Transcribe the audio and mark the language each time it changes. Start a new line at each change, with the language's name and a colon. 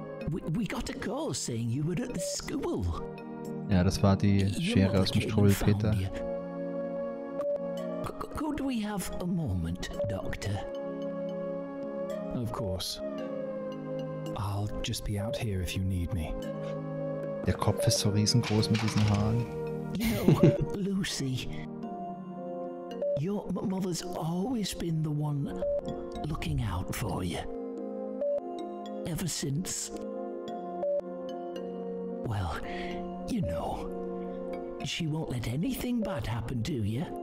English: We got a call saying you were at the school.
German: Ja, das war die Schere aus dem Strudel, Peter.
English: Could we have a moment, Doctor? Of course. I'll just be out here if you need me.
German: Der Kopf ist so riesengroß mit diesen Haaren.
English: Lucy. Your mother's always been the one looking out for you. Ever since... Well, you know, she won't let anything bad happen to you.